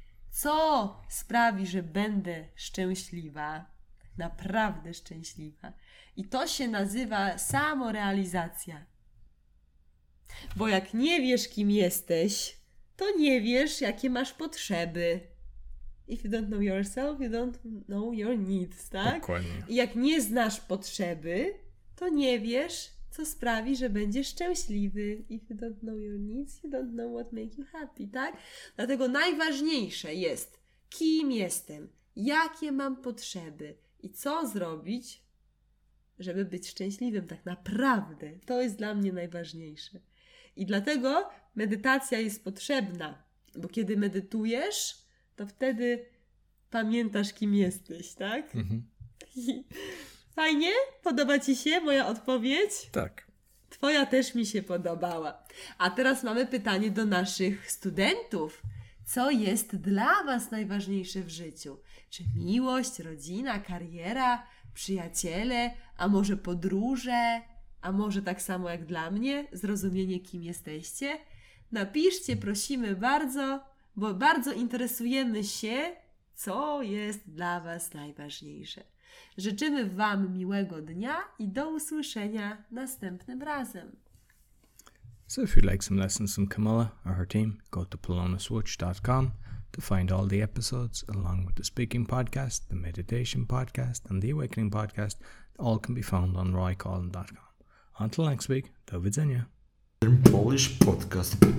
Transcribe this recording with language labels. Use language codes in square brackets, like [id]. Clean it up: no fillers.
[pl] Co sprawi, że będę szczęśliwa, naprawdę szczęśliwa. I to się nazywa samorealizacja. Bo jak nie wiesz, kim jesteś, to nie wiesz, jakie masz potrzeby. [en] If you don't know yourself, you don't know your needs, [pl] tak? Dokładnie. I jak nie znasz potrzeby, to nie wiesz, co sprawi, że będziesz szczęśliwy. [en] If you don't know your needs, you don't know what makes you happy, [pl] tak? Dlatego najważniejsze jest, kim jestem, jakie mam potrzeby i co zrobić, żeby być szczęśliwym, tak naprawdę. To jest dla mnie najważniejsze. I dlatego medytacja jest potrzebna, bo kiedy medytujesz, to wtedy pamiętasz, kim jesteś, tak? Mhm. Fajnie? Podoba ci się moja odpowiedź? Tak. Twoja też mi się podobała. A teraz mamy pytanie do naszych studentów. Co jest dla was najważniejsze w życiu? Czy miłość, rodzina, kariera, przyjaciele, a może podróże, a może tak samo jak dla mnie, zrozumienie, kim jesteście? Napiszcie, prosimy bardzo, bo bardzo interesujemy się, co jest dla was najważniejsze. Życzymy wam miłego dnia i do usłyszenia następnym razem. [en] So if you'd like some lessons from Kamila or her team, go to polonaswitch.com. To find all the episodes, along with the speaking podcast, the meditation podcast, and the awakening podcast, all can be found on roycollin.com. Until next week, [pl] do widzenia. [en] Learn Polish podcast.